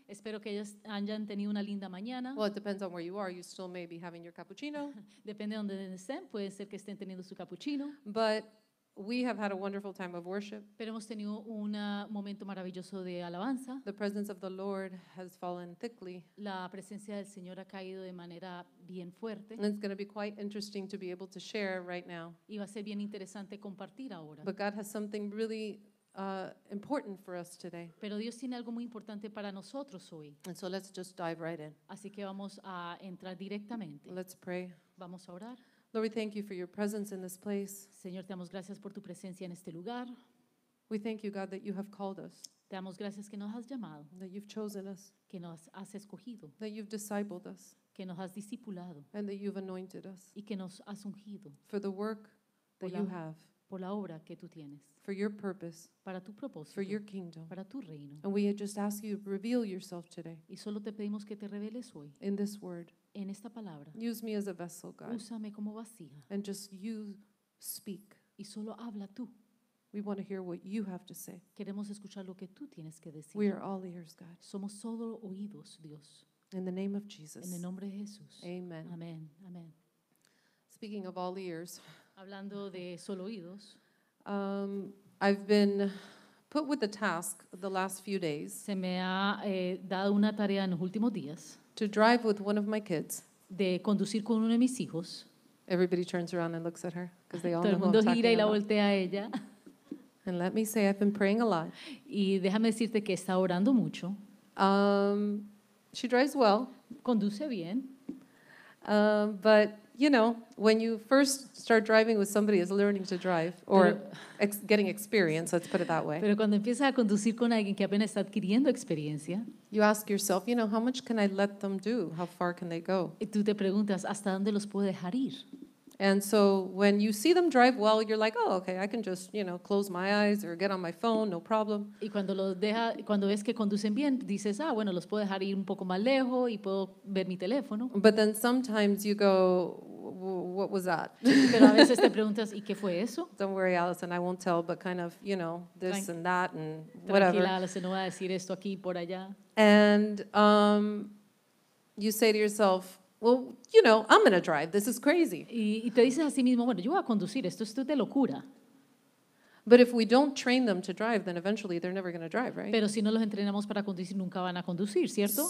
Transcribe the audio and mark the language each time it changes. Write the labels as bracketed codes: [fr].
[es] Espero que ellos hayan tenido una linda mañana. [en] Well, it depends on where you are. You still may be having your cappuccino. [es] Depende de donde estén, puede ser que estén teniendo su cappuccino. [en] But we have had a wonderful time of worship. [es] Pero hemos tenido un momento maravilloso de alabanza. [en] The presence of the Lord has fallen thickly. [es] La presencia del Señor ha caído de manera bien fuerte. [en] And it's going to be quite interesting to be able to share right now. [es] Y va a ser bien interesante compartir ahora. [en] But God has something really important for us today. [es] Pero Dios tiene algo muy importante para nosotros hoy. [en] And so let's just dive right in. [es] Así que vamos a entrar directamente. [en] Let's pray. [es] Vamos a orar. [en] Lord, we thank you for your presence in this place. [es] Señor, te damos gracias por tu presencia en este lugar. [en] We thank you, God, that you have called us. [es] Te damos gracias que nos has llamado. [en] That you've chosen us. [es] Que nos has escogido. [en] That you've discipled us. [es] Que nos has discipulado. [en] And that you've anointed us. [es] Y que nos has ungido. [en] For the work that you have. [es] Por la obra que tú tienes. [en] For your purpose. [es] Para tu propósito. [en] For your kingdom. [es] Para tu reino. [en] And we just ask you to reveal yourself today. [es] Y solo te pedimos que te reveles hoy. [en] In this word. [es] En esta palabra. [en] Use me as a vessel, God. [es] Úsame como vasija. [en] And just you speak. [es] Y solo habla tú. [en] We want to hear what you have to say. [es] Queremos escuchar lo que tú tienes que decir. [en] We are all ears, God. [es] Somos solo oídos, Dios. [en] In the name of Jesus. [es] En el nombre de Jesús. [en] Amen. [es] Amen. Amen. [en] Speaking of all ears. [es] Hablando de solo oídos. [en] I've been put with the task the last few days. [es] Se me ha dado una tarea en los últimos días. [en] To drive with one of my kids. [es] De conducir con uno de mis hijos. [en] Everybody turns around and looks at her because they all know I'm talking about. [es] Todo el mundo gira y la voltea a ella. [en] And let me say, I've been praying a lot. [es] Y déjame decirte que he estado orando mucho. [en] She drives well. [es] Conduce bien. [en] But you know, when you first start driving with somebody who's learning to drive or getting experience, let's put it that way. [es] Pero cuando empiezas a conducir con alguien que apenas está adquiriendo experiencia, [en] you ask yourself, you know, how much can I let them do? How far can they go? [es] Y tú te preguntas, ¿hasta dónde los puedo dejar ir? [en] And so when you see them drive well, you're like, oh, okay, I can just, you know, close my eyes or get on my phone, no problem. [es] Y cuando los deja, cuando ves que conducen bien, dices, ah, bueno, los puedo dejar ir un poco más lejos y puedo ver mi teléfono. [en] But then sometimes you go, what was that? [es] Pero a veces te preguntas, ¿y qué fue eso? [en] Don't worry, Allison, I won't tell, but kind of, you know, this and that and whatever. [es] Tranquila, Allison, no voy a decir esto aquí por allá. [en] And you say to yourself, well, you know, I'm going to drive. This is crazy. [es] Y te dices a sí mismo, bueno, yo voy a conducir. Esto es de locura. [en] But if we don't train them to drive, then eventually they're never going to drive, right? [es] Pero si no los entrenamos para conducir, nunca van a conducir, ¿cierto?